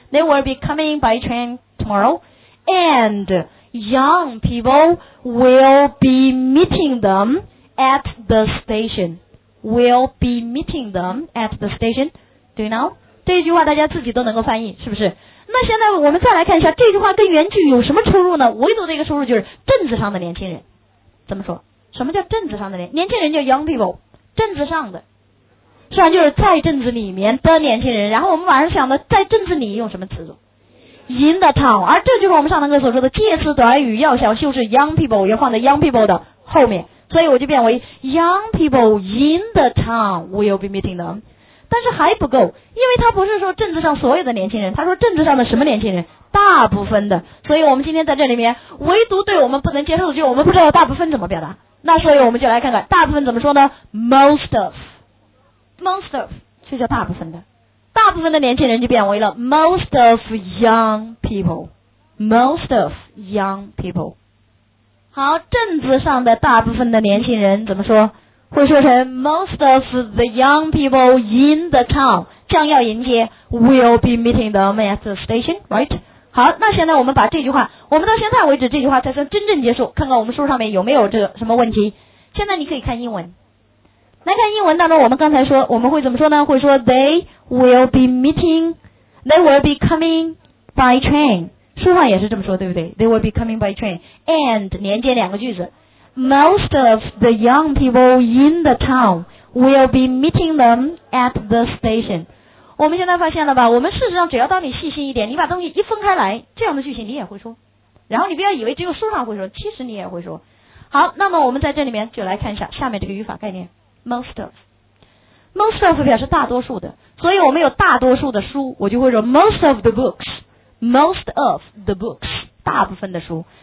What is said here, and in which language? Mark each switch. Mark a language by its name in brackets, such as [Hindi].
[English] they will be coming by train tomorrow and young people will be meeting themAt the station. We'll be meeting them at the station. Do you know? [Chinese] 这句话大家自己都能够翻译，是不是？那现在我们再来看一下这句话跟原句有什么出入呢？唯独的一个出入就是镇子上的年轻人。怎么说？什么叫镇子上的年轻人叫 [English] young people， [Chinese] 镇子上的。虽然就是在镇子里面的年轻人，然后我们马上想到在镇子里用什么词组？ [English] in the town。 [Chinese] 而这就是我们上堂课所说的介词短语要想修饰 [English] young people 要放在 young people 的后面，所以我就变为 young people in the town will be meeting them。 [Chinese] 但是还不够，因为他不是说镇子上所有的年轻人，他说镇子上的什么年轻人？大部分的。所以我们今天在这里面唯独对我们不能接受的就是我们不知道大部分怎么表达。那所以我们就来看看大部分怎么说呢？ [English] most of， most of [Chinese] 就叫大部分的。大部分的年轻人就变为了 [English] most of young people， most of young people。 [Chinese] 好，镇子上的大部分的年轻人怎么说？会说成 [English] most of the young people in the town [Chinese] 将要迎接 [English] will be meeting them at the station， right？ [Chinese] 好，那现在我们把这句话，我们到现在为止这句话才算真正结束，看看我们书上面有没有这个什么问题。现在你可以看英文，来看英文当中，我们刚才说我们会怎么说呢？会说 [English] they will be meeting， they will be coming by train。 [Chinese] 书上也是这么说，对不对？ [English] They will be coming by train and [Chinese] 连接两个句子， [English] Most of the young people in the town will be meeting them at the station。 [Chinese] 我们现在发现了吧，我们事实上只要当你细心一点，你把东西一分开来，这样的句型你也会说，然后你不要以为只有书上会说，其实你也会说。好，那么我们在这里面就来看一下下面这个语法概念， [English] Most of， Most of [Chinese] 表示大多数的，所以我们有大多数的书，我就会说 [English] Most of the booksMost of the books， [Chinese] 大部分的书。